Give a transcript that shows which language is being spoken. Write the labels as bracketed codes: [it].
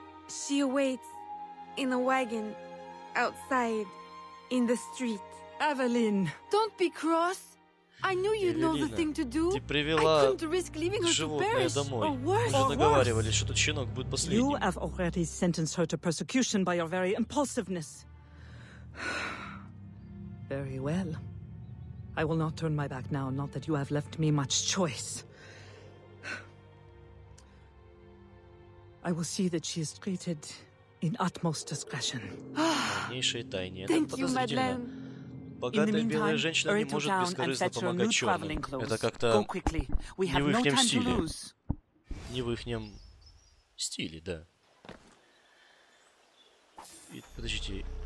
[en] She awaits in a wagon outside in the street. Evelyn, don't be cross. I knew you'd know the thing to do. [ru] Ты привела животное домой. Мы договаривались, что этот щенок будет последним. [en] You have already sentenced her to persecution by your very impulsiveness. Very well. I will not turn my back now, not that you have left me much choice. I will see that she is treated in utmost discretion. [ru] Дальнейшие тайны. [en] Thank you, Madeleine. [ru] Богатая белая женщина не может бескорыстно помогать чёрным. Это как-то не в ихнем стиле. Не в ихнем стиле, да. И, подождите.